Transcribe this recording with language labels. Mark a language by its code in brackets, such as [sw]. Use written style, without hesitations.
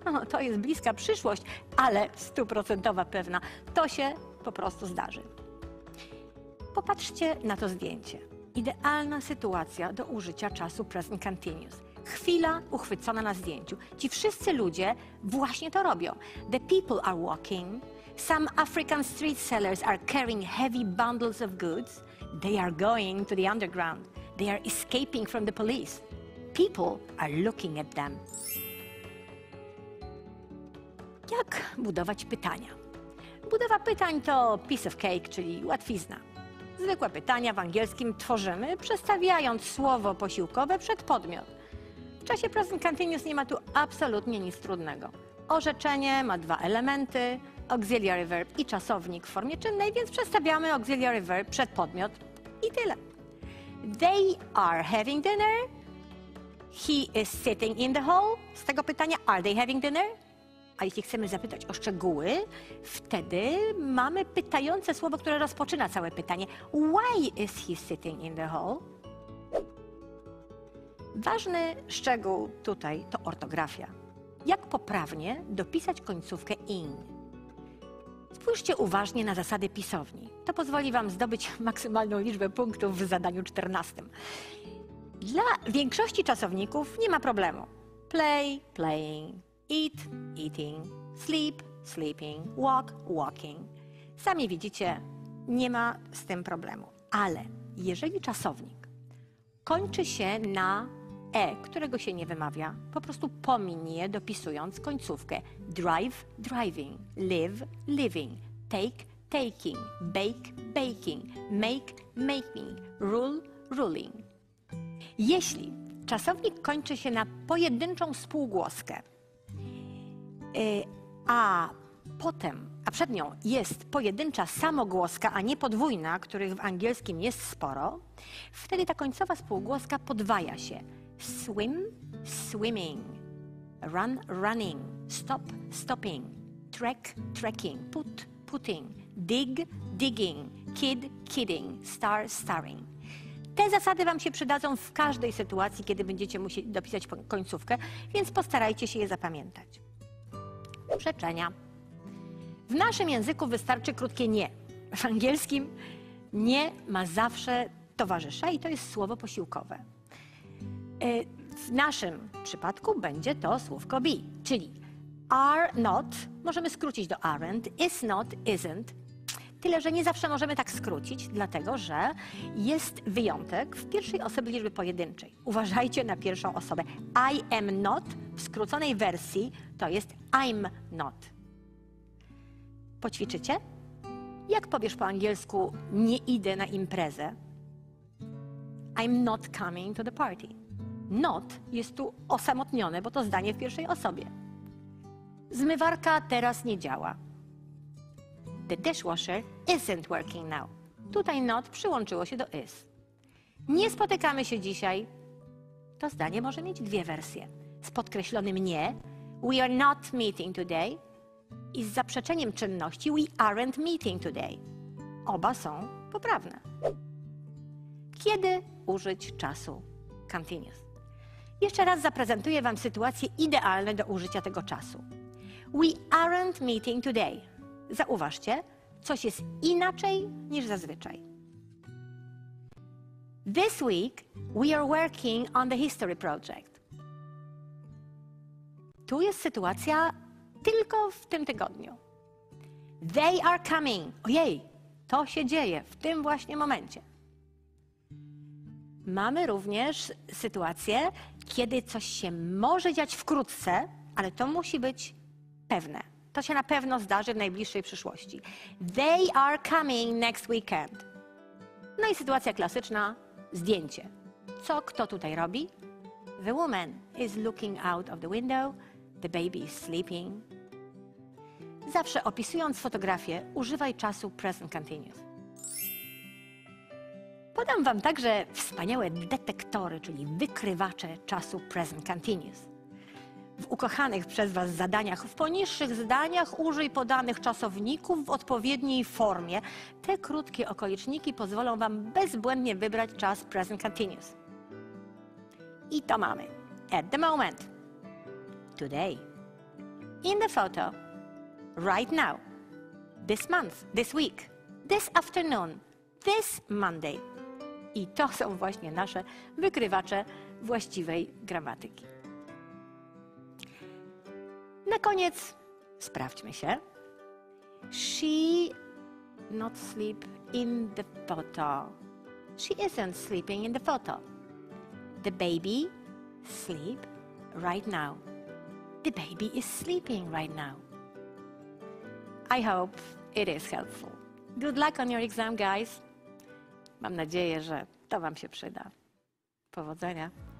[pl] To jest bliska przyszłość, ale stuprocentowa pewna. To się po prostu zdarzy. Popatrzcie na to zdjęcie. Idealna sytuacja do użycia czasu present continuous. Chwila uchwycona na zdjęciu. Ci wszyscy ludzie właśnie to robią. [en] The people are walking. Some African street sellers are carrying heavy bundles of goods. They are going to the underground. They are escaping from the police. People are looking at them. [pl] Jak budować pytania? Budowa pytań to [en] piece of cake, [pl] czyli łatwizna. Zwykłe pytania w angielskim tworzymy, przestawiając słowo posiłkowe przed podmiot. W czasie present continuous nie ma tu absolutnie nic trudnego. Orzeczenie ma dwa elementy, auxiliary verb i czasownik w formie czynnej, więc przestawiamy auxiliary verb przed podmiot i tyle. [en] They are having dinner. He is sitting in the hall. [pl] Z tego pytania, [en] are they having dinner? [pl] A jeśli chcemy zapytać o szczegóły, wtedy mamy pytające słowo, które rozpoczyna całe pytanie. [en] Why is he sitting in the hall? [pl] Ważny szczegół tutaj to ortografia. Jak poprawnie dopisać końcówkę ing? Spójrzcie uważnie na zasady pisowni. To pozwoli wam zdobyć maksymalną liczbę punktów w zadaniu 14. Dla większości czasowników nie ma problemu. [en] Play, playing, eat, eating, sleep, sleeping, walk, walking. [pl] Sami widzicie, nie ma z tym problemu. Ale jeżeli czasownik kończy się na e, którego się nie wymawia, po prostu pominie, dopisując końcówkę. [en] Drive, driving, live, living, take, taking, bake, baking, make, making, rule, ruling. [pl] Jeśli czasownik kończy się na pojedynczą spółgłoskę, a przed nią jest pojedyncza samogłoska, a nie podwójna, których w angielskim jest sporo, wtedy ta końcowa spółgłoska podwaja się. [en] Swim, swimming, run, running, stop, stopping, trek, trekking, put, putting, dig, digging, kid, kidding, star, starring. [pl] Te zasady wam się przydadzą w każdej sytuacji, kiedy będziecie musieli dopisać końcówkę, więc postarajcie się je zapamiętać. Przeczenia. W naszym języku wystarczy krótkie nie. W angielskim nie ma zawsze towarzysza i to jest słowo posiłkowe. W naszym przypadku będzie to słówko be, czyli [en] are not, [pl] możemy skrócić do aren't, [en] is not, [pl] isn't. Tyle, że nie zawsze możemy tak skrócić, dlatego że jest wyjątek w pierwszej osobie liczby pojedynczej. Uważajcie na pierwszą osobę. [en] I am not [pl] w skróconej wersji to jest [en] I'm not. [pl] Poćwiczycie? Jak powiesz po angielsku nie idę na imprezę? [en] I'm not coming to the party. [pl] Not jest tu osamotnione, bo to zdanie w pierwszej osobie. Zmywarka teraz nie działa. [en] The dishwasher isn't working now. [pl] Tutaj not przyłączyło się do is. Nie spotykamy się dzisiaj. To zdanie może mieć dwie wersje. Z podkreślonym nie, [en] we are not meeting today, [pl] i z zaprzeczeniem czynności, [en] we aren't meeting today. [pl] Oba są poprawne. Kiedy użyć czasu continuous? Jeszcze raz zaprezentuję wam sytuacje idealne do użycia tego czasu. [en] We aren't meeting today. [pl] Zauważcie, coś jest inaczej niż zazwyczaj. [en] This week we are working on the history project. [pl] Tu jest sytuacja tylko w tym tygodniu. [en] They are coming. [pl] Ojej, to się dzieje w tym właśnie momencie. Mamy również sytuację, kiedy coś się może dziać wkrótce, ale to musi być pewne. To się na pewno zdarzy w najbliższej przyszłości. [en] They are coming next weekend. [pl] No i sytuacja klasyczna, zdjęcie. Co kto tutaj robi? [en] The woman is looking out of the window. The baby is sleeping. [pl] Zawsze opisując fotografię, używaj czasu present continuous. Podam wam także wspaniałe detektory, czyli wykrywacze czasu present continuous. W ukochanych przez was zadaniach, w poniższych zdaniach użyj podanych czasowników w odpowiedniej formie. Te krótkie okoliczniki pozwolą wam bezbłędnie wybrać czas present continuous. I to mamy. [en] At the moment. Today. In the photo. Right now. This month. This week. This afternoon. This Monday. [pl] I to są właśnie nasze wykrywacze właściwej gramatyki. Na koniec sprawdźmy się. [en] She not sleep in the photo. She isn't sleeping in the photo. The baby sleep right now. The baby is sleeping right now. I hope it is helpful. Good luck on your exam, guys. [pl] Mam nadzieję, że to wam się przyda. Powodzenia.